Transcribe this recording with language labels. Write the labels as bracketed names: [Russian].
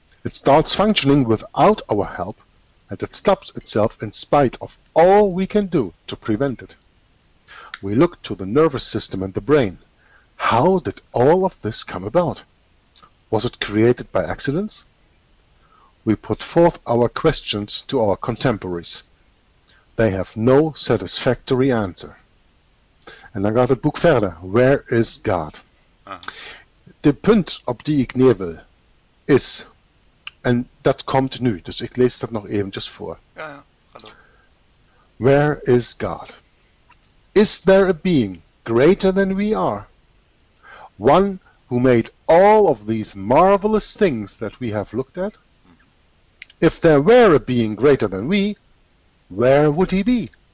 [English] It starts functioning without our help, and it stops itself in spite of all we can do to prevent it. We look to the nervous system and the brain. How did all of this come about? Was it created by accidents? We put forth our questions to our contemporaries. They have no satisfactory answer. [Dutch] En dan gaat het boek verder. [English] Where is God? [Dutch] De punt op die ik neer wil is, en dat komt nu, dus ik lees dat nog eventjes voor. Ja, [English] where is God? Is there a being greater than we are? One who made all of these marvelous things that we have looked at? If there were a being greater than we, where would he be?